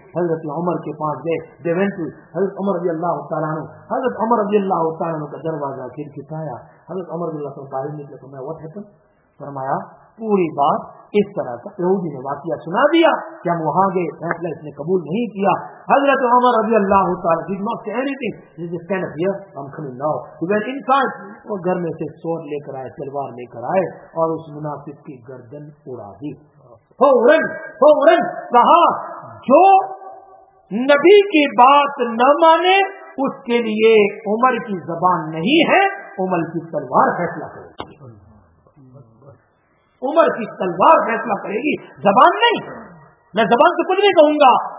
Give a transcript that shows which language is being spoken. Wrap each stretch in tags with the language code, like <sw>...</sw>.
<ur>حضرت عمر کے پاس گئے,</ur> <en>they went</en> <ur>حضرت عمر رضی اللہ تعالیٰ عنہ. حضرت عمر رضی اللہ تعالیٰ عنہ کا دروازہ کھٹکھٹایا, حضرت عمر رضی اللہ تعالیٰ عنہ باہر نکلے تو میں</ur> <en>what happened,</en> <ur>فرمایا پوری بات اس طرح سے یہودی نے واقعہ سنا دیا کہ ہم وہاں گئے, فیصلہ اس نے قبول نہیں کیا.</ur> <en>حضرت عمر رضی اللہ تعالیٰ did not say anything, he just stand up here, I'm coming now. He went inside,</en> <ur>وہ گھر میں سے سور لے کر آئے, تلوار لے کر آئے اور اس منافق کی گردن اڑا دی. فوراً فوراً کہا جو نبی کی بات نہ مانے اس کے لیے عمر کی زبان نہیں ہے, عمر کی تلوار فیصلہ کرے گی, عمر کی تلوار فیصلہ کرے گی, زبان نہیں, میں زبان سے کچھ نہیں کہوں گا.</ur>